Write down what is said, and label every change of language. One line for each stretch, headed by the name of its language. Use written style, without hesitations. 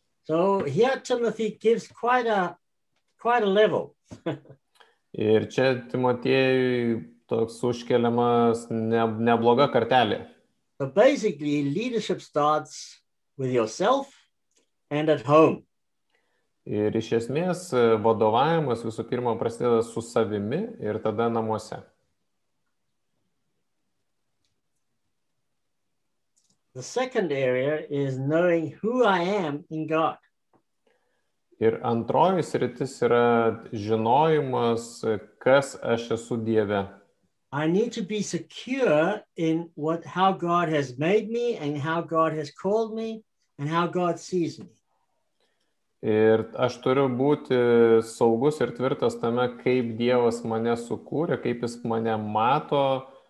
English: So here Timothy gives quite a level.
Lithuanian: Ir čia Timotiejui toks užkeliamas nebloga kartelė.
English: So basically, leadership starts with yourself and at home.
Lithuanian: Ir iš esmės vadovavimas visų pirma prasideda su savimi ir tada namuose.
English: The second area is knowing who I am in God.
Lithuanian: Ir antroji sritis yra žinojimas, kas aš esu Dieve.
English: I need to be secure in what how God has made me and how God has called me and how God sees me.
Lithuanian: Ir aš turiu būti saugus ir tvirtas tame, kaip Dievas mane sukūrė, kaip jis mane mato.